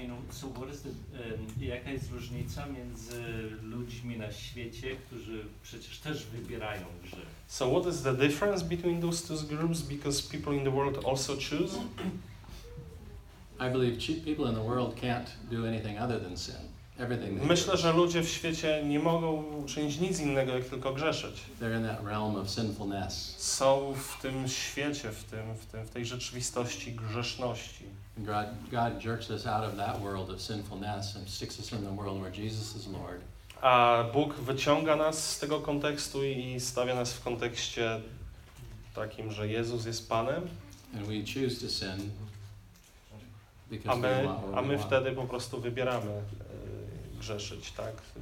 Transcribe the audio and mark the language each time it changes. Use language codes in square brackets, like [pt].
[en] So what is the, [pl] jaka jest różnica między ludźmi na świecie, którzy przecież też wybierają grzech? [en] So what is the difference between those two groups, because people in the world also choose? I believe cheap people in the world can't do anything other than sin. Everything they [pl] Myślę, [en] do. [pl] Że ludzie w świecie nie mogą uczynić nic innego, jak tylko grzeszyć. [en] They're in that realm of sinfulness. [pl] Są w tym świecie, w tej rzeczywistości grzeszności. [en] God jerks us out of that world of sinfulness and sticks us in the world where Jesus is Lord. [pl] A Bóg wyciąga nas z tego kontekstu i stawia nas w kontekście takim, że Jezus jest Panem. [en] And we choose to sin [pl] because a my wtedy po prostu wybieramy grzeszyć, tak?